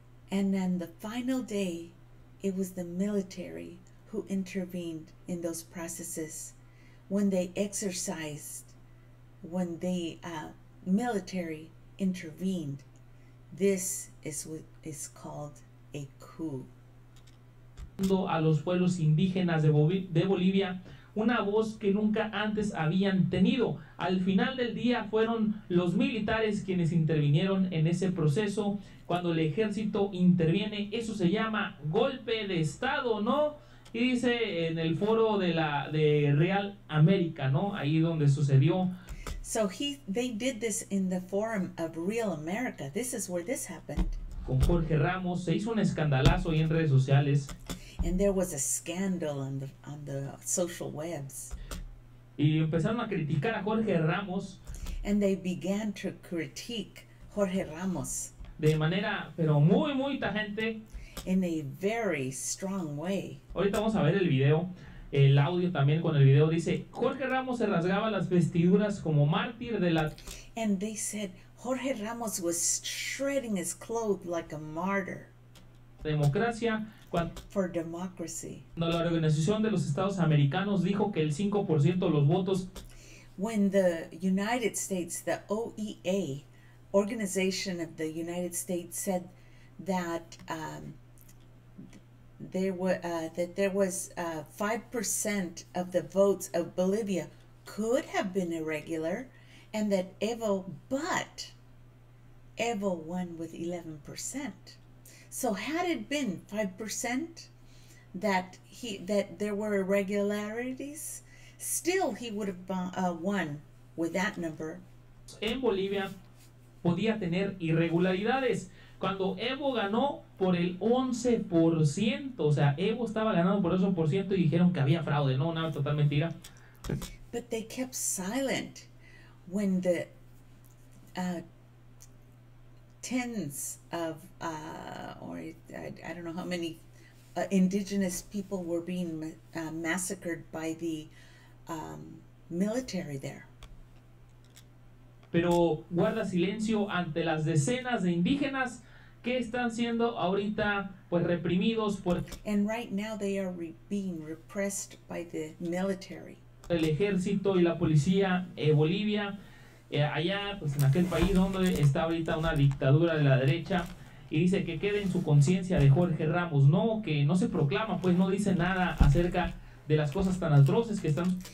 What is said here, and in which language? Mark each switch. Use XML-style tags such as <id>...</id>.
<en>And then the final day, it was the military who intervened in those processes when they exercised when the military intervened, this is what is called a coup.</en> <es>A los pueblos indígenas de Bolivia, una voz que nunca antes habían tenido. Al final del día fueron los militares quienes intervinieron en ese proceso. Cuando el ejército interviene, eso se llama golpe de estado, ¿no? Y dice en el foro de Real América, ¿no? Ahí donde sucedió.</es> <en>So they did this in the forum of Real America. This is where this happened.</en> <es>Con Jorge Ramos se hizo un escandalazo ahí en redes sociales.</es> <en>And there was a scandal on the social webs.</en> <es>Y empezaron a criticar a Jorge Ramos.</es> <en>And they began to critique Jorge Ramos.</en> <es>De manera, pero muy, muy tajante.</es> <en>In a very strong way.</en> <es>Ahorita vamos a ver el video. El audio también con el video dice Jorge Ramos se rasgaba las vestiduras como mártir de la.</es> <en>And they said Jorge Ramos was shredding his clothes like a martyr.</en> <es>Democracia.</es> <en>For democracy.</en> <es>Cuando la Organización de los Estados Americanos dijo que el 5% de los votos.</es> <en>When the United States, the OEA, Organization of the United States, said that. There was 5% of the votes of Bolivia could have been irregular, and that Evo won with 11%. So had it been 5% that there were irregularities, still he would have won with that number.</en> <es>En Bolivia podía tener irregularidades. Cuando Evo ganó por el 11%, o sea, Evo estaba ganando por el 11% y dijeron que había fraude, ¿no? Una total mentira.</es> <en>But they kept silent when the tens of, or I don't know how many indigenous people were being massacred by the military there.</en> <es>Pero guarda silencio ante las decenas de indígenas que están siendo ahorita pues reprimidos por</es> <en>and right now they are being repressed by the military.</en> <es>el ejército y la policía en Bolivia, allá pues en aquel país donde está ahorita una dictadura de la derecha, y dice que quede en su conciencia de Jorge Ramos, no, que no se proclama, pues no dice nada acerca de las cosas tan atroces que están.</es>